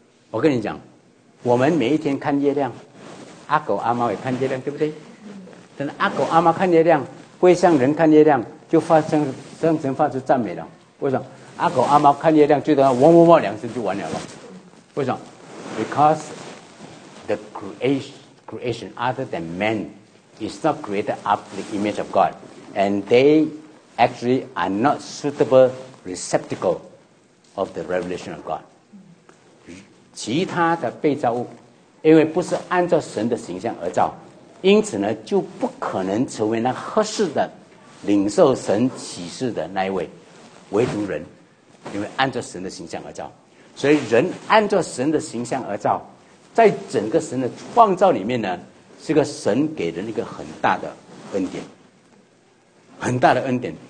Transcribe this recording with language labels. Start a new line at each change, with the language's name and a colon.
Chinese: 我跟你讲，我们每一天看月亮，阿狗阿猫也看月亮，对不对？但是阿狗阿猫看月亮不会像人看月亮就发生生成发出赞美了。为什么？阿狗阿猫看月亮最多汪汪汪两声就完了。为什么？
English: Because the creation other than man is not created after the image of God, and they actually are not suitable receptacle of the revelation of God。
Chinese: 其他的被造物因为不是按照神的形象而造，因此呢，就不可能成为那合适的领受神启示的那一位。唯独人，因为按照神的形象而造，所以人按照神的形象而造，在整个神的创造里面呢，是个神给人一个很大的恩典，很大的恩典。